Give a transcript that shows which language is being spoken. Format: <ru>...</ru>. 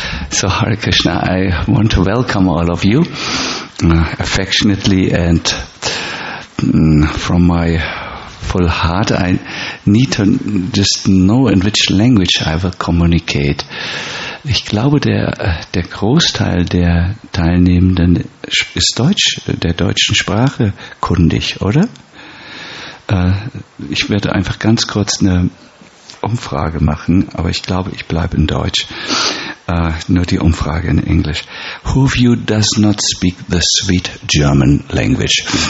<en>So, Hare Krishna, I want to welcome all of you affectionately and from my full heart. I need to just know in which language I will communicate.</en> <de>Ich glaube, der Großteil der Teilnehmenden ist Deutsch, der deutschen Sprache kundig, oder? Ich werde einfach ganz kurz eine Umfrage machen, aber ich glaube, ich bleibe in Deutsch. Nur die Umfrage in Englisch.</de> <en>Who of you does not speak the sweet German language?</en>